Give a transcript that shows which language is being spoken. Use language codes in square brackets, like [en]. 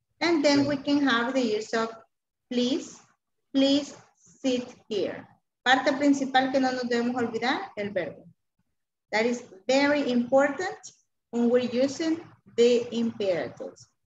[en] And then we can have the use of please, please sit here. [es] Parte principal que no nos debemos olvidar, el verbo. [en] That is very important when we're using the imperatives.